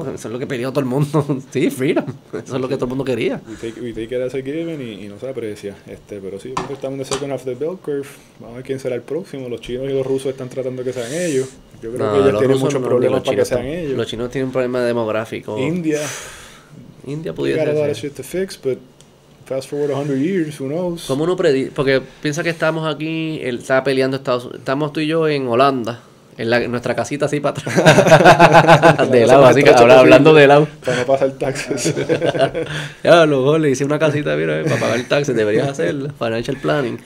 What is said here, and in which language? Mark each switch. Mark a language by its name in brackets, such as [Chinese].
[Spanish] Claro, eso es lo que pedía todo el mundo. Sí, freedom. Eso es lo que todo el mundo quería. [English] We take it as a given [Spanish] y no se aprecia. Pero sí, estamos en [English] the second half of the bell curve. [Spanish] Vamos a ver quién será el próximo. Los chinos y los rusos están tratando que sean ellos. Yo creo que ellos tienen muchos problemas para que sean ellos. Los chinos tienen un problema demográfico. India pudiera ser. [English] We got a lot of shit to fix, but fast forward 100 years, who knows. [Spanish] ¿Cómo uno predice? Porque piensa que estamos aquí, él está peleando Estados Unidos. Estamos tú y yo en Holanda, en nuestra casita así para atrás. De lado, así que hablando de lado. Para no pasar taxes. Ya, luego le hice una casita, mira, para pagar el taxi, deberías hacerlo, financial planning.